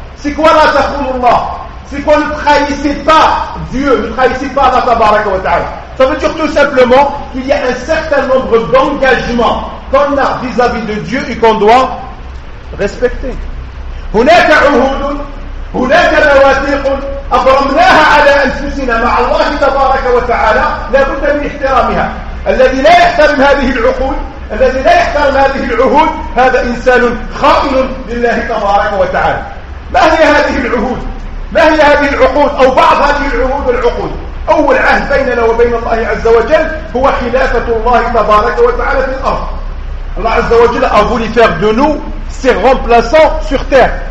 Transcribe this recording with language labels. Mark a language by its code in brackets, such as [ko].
[fr] سي كوا [ar] لا تخونوا الله، [fr] c'est quoi ne trahissez pas Dieu, ne trahissez pas Allah Tabaraka wa Ta'ala. Ça veut dire tout simplement qu'il y a un certain nombre d'engagements qu'on a vis-à-vis de Dieu et qu'on doit respecter. [ar] هناك عهود هناك مواثيق أبرمناها على أنفسنا مع الله تبارك وتعالى لا بد من احترامها. الذي لا يحترم هذه العقود الذي لا يحترم هذه العهود هذا إنسان خائن لله تبارك وتعالى. ما هي هذه العهود؟ ما هي هذه العقود أو بعض هذه العهود والعقود؟ أول عهد بيننا وبين الله عز وجل هو خلافة الله تبارك وتعالى في الأرض. [fr] الله عز وجل a voulu faire de nous ses remplaçants sur terre.